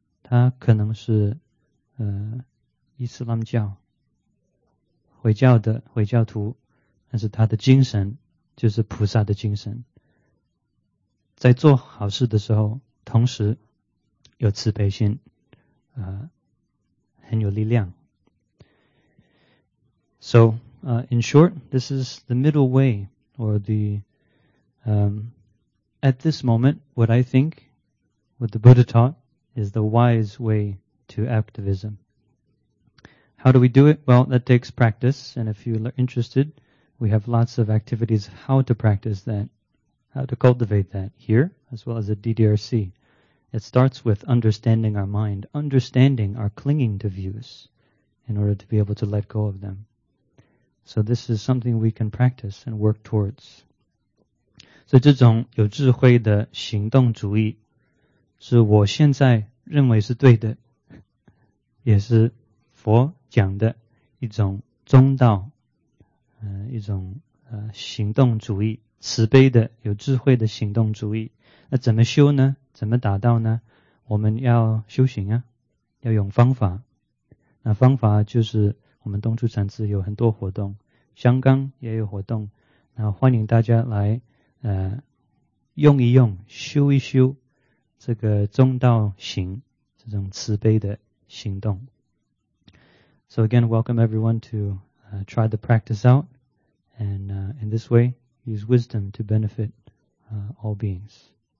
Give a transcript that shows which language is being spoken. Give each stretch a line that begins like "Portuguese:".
Chinese: 他可能是伊斯兰教回教的回教徒，但是他的精神就是菩萨的精神，在做好事的时候同时有慈悲心，很有力量。
English: So, in short, this is the middle way, or the, at this moment, what I think, what the Buddha taught, is the wise way to activism. How do we do it? Well, that takes practice, and if you're interested, we have lots of activities how to practice that, how to cultivate that here, as well as at DDRC. It starts with understanding our mind, understanding our clinging to views in order to be able to let go of them. So this is something we can practice and work towards.
Chinese: 所以这种有智慧的行动主义是我现在认为是对的，也是佛讲的一种中道，一种行动主义，慈悲的有智慧的行动主义。那怎么修呢？怎么达到呢？我们要修行啊，要用方法。那方法就是我们东出禅寺有很多活动，香港也有活动，那欢迎大家来用一用，修一修这个中道行，这种慈悲的行动。
English: So again, welcome everyone to try the practice out, and in this way, use wisdom to benefit all beings.